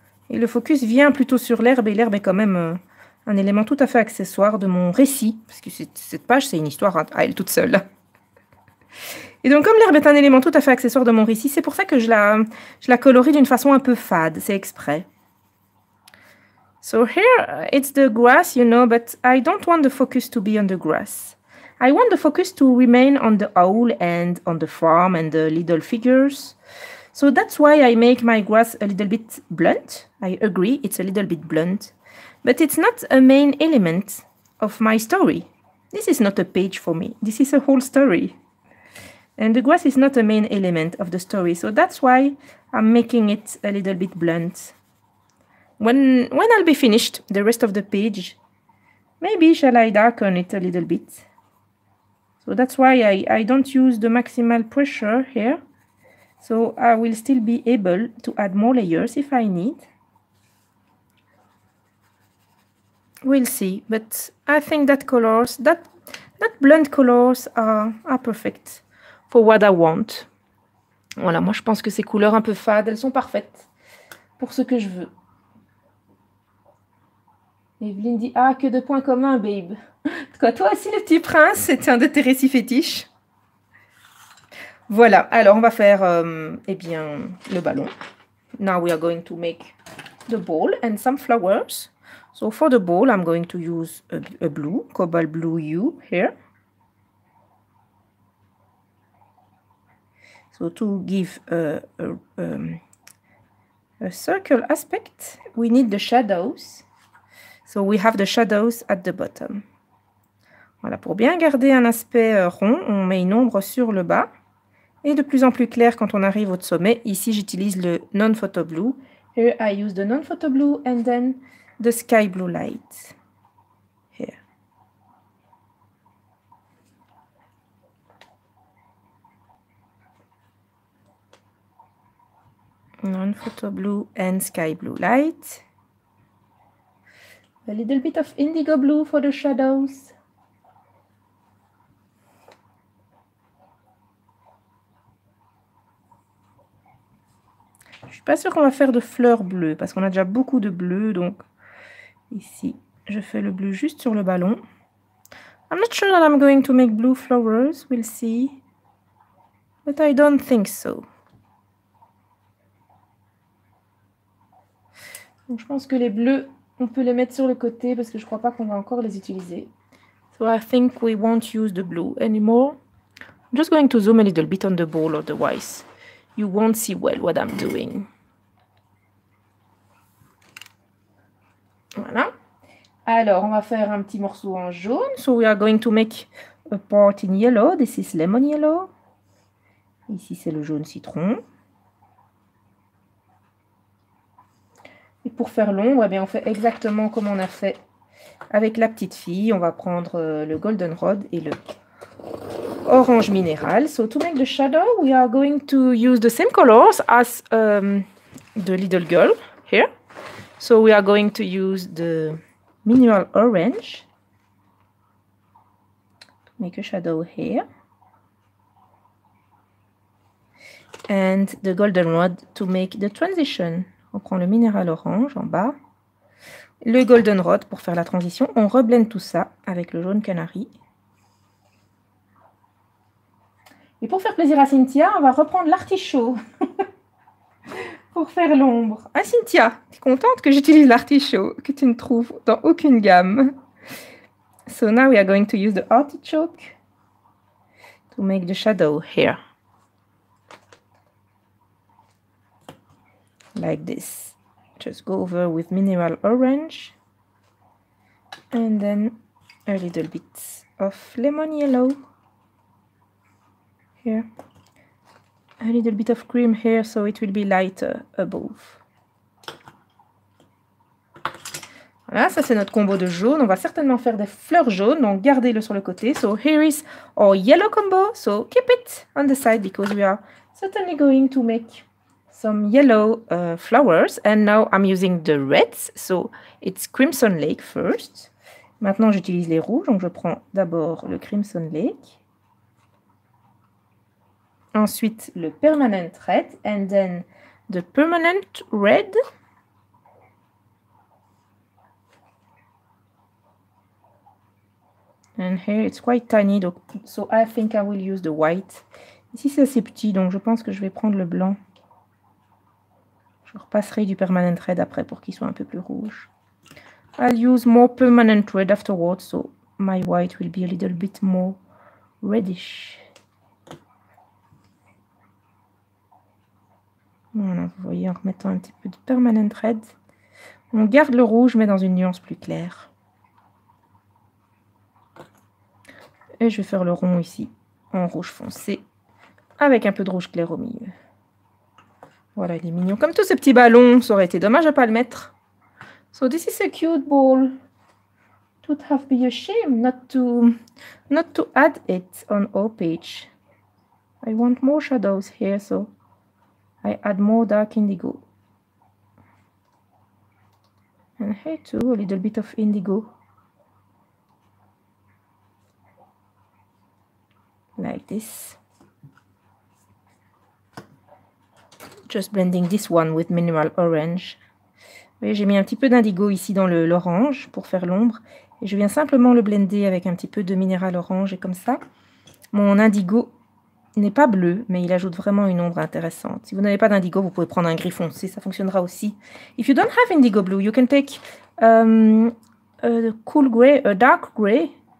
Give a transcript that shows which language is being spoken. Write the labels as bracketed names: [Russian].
[French] Et le focus vient plutôt sur l'herbe, et l'herbe est quand même un élément tout à fait accessoire de mon récit, parce que cette page, c'est une histoire à elle toute seule. Et donc, comme l'herbe est un élément tout à fait accessoire de mon récit, c'est pour ça que je la colorie d'une façon un peu fade, c'est exprès. [English] So here, it's the grass, you know, but I don't want the focus to be on the grass. I want the focus to remain on the owl and on the farm and the little figures. So that's why I make my grass a little bit blunt. I agree, it's a little bit blunt. But it's not a main element of my story. This is not a page for me. This is a whole story. And the grass is not a main element of the story. So that's why I'm making it a little bit blunt. When I'll be finished, the rest of the page, maybe shall I darken it a little bit. So that's why I don't use the maximal pressure here. So I will still be able to add more layers if I need. We'll see, but I think that colors, that blunt colors are perfect for what I want. [French] Voilà, moi je pense que ces couleurs un peu fades, elles sont parfaites pour ce que je veux. Evelyne dit, ah, que de points communs, babe. Quoi, toi aussi, le petit prince, c'est un de tes récits fétiches. Voilà, alors on va faire, eh bien, le ballon. [English] Now we are going to make the ball and some flowers. So for the ball, I'm going to use a blue, cobalt blue hue here. So to give a circle aspect, we need the shadows. So we have the shadows at the bottom. Voilà, pour bien garder un aspect rond, on met une ombre sur le bas. Et de plus en plus clair quand on arrive au sommet. Ici, j'utilise le non-photo blue. Here, I use the non-photo blue and then the sky blue light. Here. Non-photo blue and sky blue light. A little bit of indigo blue for the shadows. [French] Je ne suis pas sûre qu'on va faire de fleurs bleues, parce qu'on a déjà beaucoup de bleu, donc ici, je fais le bleu juste sur le ballon. [English] I'm not sure that I'm going to make blue flowers, we'll see. But I don't think so. [French] Donc je pense que les bleus, on peut les mettre sur le côté, parce que je ne crois pas qu'on va encore les utiliser. [English] So I think we won't use the blue anymore. I'm just going to zoom a little bit on the ball otherwise. You won't see well what I'm doing. [French] Voilà. Alors, on va faire un petit morceau en jaune. [English] So we are going to make a part in yellow. This is lemon yellow. [French] Ici, c'est le jaune citron. Et pour faire l'ombre, eh bien, on fait exactement comme on a fait avec la petite fille. On va prendre le goldenrod et le orange minéral. [English] So to make the shadow, we are going to use the same colors as the little girl here. So we are going to use the mineral orange to make a shadow here. And the goldenrod to make the transition. [French] On prend le minéral orange en bas. Le goldenrod pour faire la transition. On reblende tout ça avec le jaune canari. Et pour faire plaisir à Cynthia, on va reprendre l'artichaut pour faire l'ombre. Ah Cynthia, t'es contente que j'utilise l'artichaut que tu ne trouves dans aucune gamme. [English] So now we are going to use the artichoke to make the shadow here. Like this. Just go over with mineral orange. And then a little bit of lemon yellow. Here. A little bit of cream here, so it will be lighter above. [French] Voilà, ça c'est notre combo de jaune. On va certainement faire des fleurs jaunes, donc gardez-le sur le côté. [English] So here is our yellow combo, so keep it on the side because we are certainly going to make some yellow flowers. And now I'm using the reds, so it's Crimson Lake first. [French] Maintenant j'utilise les rouges, donc je prends d'abord le Crimson Lake. Ensuite, le permanent red. [English] And then, the permanent red. And here, it's quite tiny. So, I think I will use the white. [French] Ici, c'est assez petit, donc je pense que je vais prendre le blanc. Je repasserai du permanent red après pour qu'il soit un peu plus rouge. [English] I'll use more permanent red afterwards, so my white will be a little bit more reddish. [French] Voilà, vous voyez, en remettant un petit peu de permanent red, on garde le rouge, mais dans une nuance plus claire. Et je vais faire le rond ici, en rouge foncé, avec un peu de rouge clair au milieu. Voilà, il est mignon. Comme tous ces petits ballons, ça aurait été dommage de ne pas le mettre. [English] So this is a cute ball. It would have been a shame not to add it on our page. I want more shadows here, so I add more dark indigo. And here too, a little bit of indigo. Like this. Just blending this one with mineral orange. [French] Oui, j'ai mis un petit peu d'indigo ici dans l'orange pour faire l'ombre. Et je viens simplement le blender avec un petit peu de minéral orange. Et comme ça, mon indigo n'est pas bleu, mais il ajoute vraiment une ombre intéressante. Si vous n'avez pas d'indigo, vous pouvez prendre un gris foncé. Ça fonctionnera aussi. [English] If you don't have indigo blue, you can take a cool gray, a dark gray.